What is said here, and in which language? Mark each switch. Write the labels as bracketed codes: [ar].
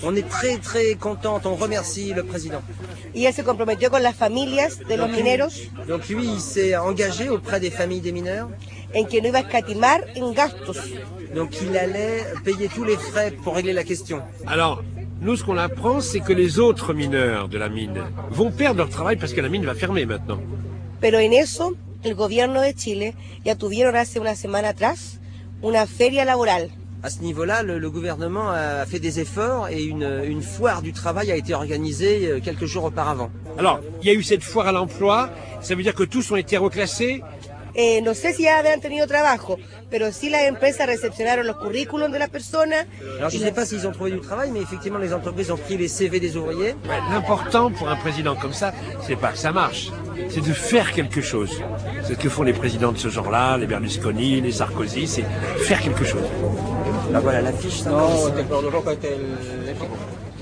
[fr] On est très très contente, on remercie le président. [es] Y él se comprometió con las familias de los mineros. [fr] Donc lui, il s'est engagé auprès des familles des mineurs. [es] En que no iba a escatimar en gastos. [fr] Donc il allait payer tous les frais pour régler la question. Alors, nous ce qu'on apprend, c'est que les autres mineurs de la mine vont perdre leur travail parce que la mine va fermer maintenant. [es] Pero en eso, el gobierno de Chile ya tuvieron hace una semana atrás una feria laboral. [fr] À ce niveau-là, le gouvernement a fait des efforts et une foire du travail a été organisée quelques jours auparavant. Alors, il y a eu cette foire à l'emploi, ça veut dire que tous ont été reclassés. [es] No sé si ya habían tenido trabajo, pero sí las empresas recepcionaron los currículums de las personas. [fr] Alors, je ne sais pas s'ils ont trouvé du travail, mais effectivement, les entreprises ont pris les CV des ouvriers. Ouais, l'important pour un président comme ça, c'est pas que ça marche, c'est de faire quelque chose. C'est ce que font les présidents de ce genre-là, les Berlusconi, les Sarkozy, c'est faire quelque chose. Là, voilà, l'affiche, ça non, c'est le [es] color rojo, [fr] c'est le...